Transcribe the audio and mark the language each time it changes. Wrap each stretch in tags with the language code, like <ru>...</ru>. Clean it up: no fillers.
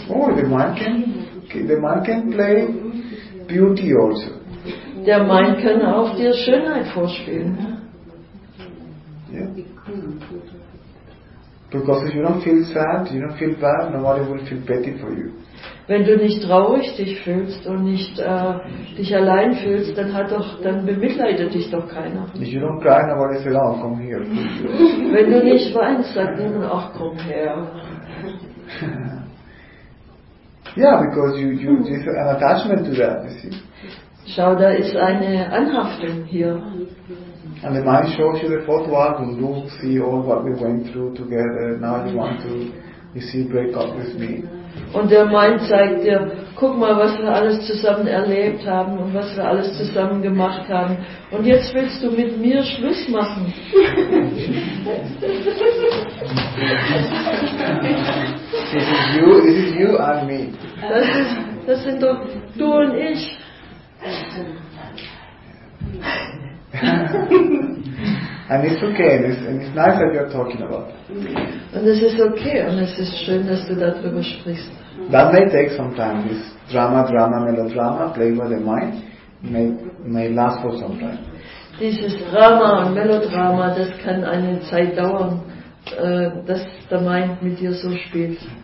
<en>Oh, the mind can play beauty also.</en> <de>Der Mind kann auch dir Schönheit vorspielen.</de> <en>Yeah. Because if you don't feel sad, you don't feel bad, nobody will feel pity for you.</en> <de>Wenn du nicht traurig dich fühlst und nicht dich allein fühlst, dann bemitleidet dich doch keiner.</de> <en>If you don't cry, nobody says, oh, come here.</en> <de>Wenn du nicht weinst, sagt niemand, ach, komm her.</de> <en>Yeah, because you there's an attachment to that, you see.</en> <de>Schau, da ist eine Anhaftung hier.</de> <en>And the mind shows you the photo album, you see all what we went through together, now you want to, you see, break up with me.</en> <de>Und der Mind zeigt dir, guck mal, was wir alles zusammen erlebt haben und was wir alles zusammen gemacht haben. Und jetzt willst du mit mir Schluss machen.</de> <en>This is you and me.</en> <de>Das sind doch du und ich.</de> <en>And it's okay, and it's nice that you're talking about.</en> <de>Und es ist okay und es ist schön, dass du darüber sprichst.</de> <en>That may take some time. This drama, melodrama, play with the mind may last for some time.</en> <de>Dieses Drama und Melodrama, das kann eine Zeit dauern, dass der Mind mit dir so spielt.</de>